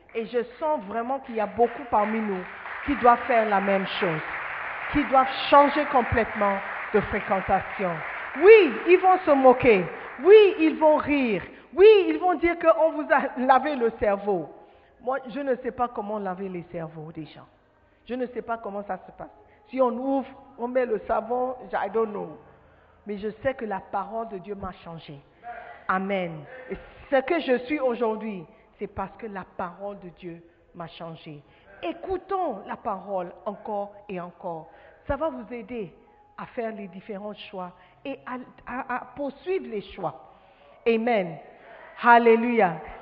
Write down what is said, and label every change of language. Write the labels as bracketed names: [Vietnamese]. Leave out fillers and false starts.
[French] Et je sens vraiment qu'il y a beaucoup parmi nous qui doivent faire la même chose, qui doivent changer complètement de fréquentation. Oui, ils vont se moquer. Oui, ils vont rire. Oui, ils vont dire qu'on vous a lavé le cerveau. Moi, je ne sais pas comment laver les cerveaux des gens. Je ne sais pas comment ça se passe. Si on ouvre, on met le savon, [English] I don't know. [French] Mais je sais que la parole de Dieu m'a changé. Amen. Et ce que je suis aujourd'hui, c'est parce que la parole de Dieu m'a changé. Écoutons la parole encore et encore. Ça va vous aider à faire les différents choix et à poursuivre les choix. Amen. Alléluia.